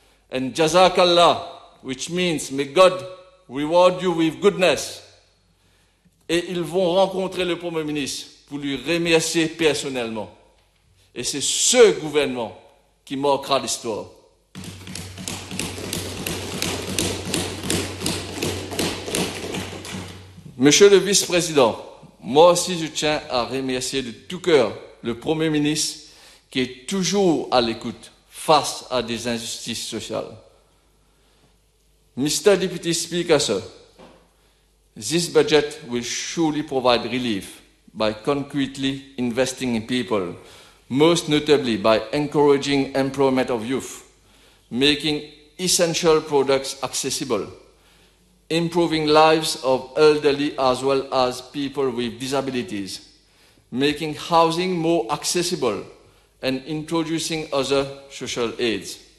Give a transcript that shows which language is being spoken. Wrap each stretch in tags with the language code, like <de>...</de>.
<en>And Jazakallah, which means may God reward you with goodness.</en> <fr>Et ils vont rencontrer le Premier ministre pour lui remercier personnellement. Et c'est ce gouvernement qui marquera l'histoire. Monsieur le Vice-président, moi aussi je tiens à remercier de tout cœur le Premier ministre qui est toujours à l'écoute face à des injustices sociales.</fr> <en>Mr. Deputy Speaker, sir, this budget will surely provide relief by concretely investing in people, most notably by encouraging employment of youth, making essential products accessible, improving lives of elderly as well as people with disabilities, making housing more accessible, and introducing other social aids.</en>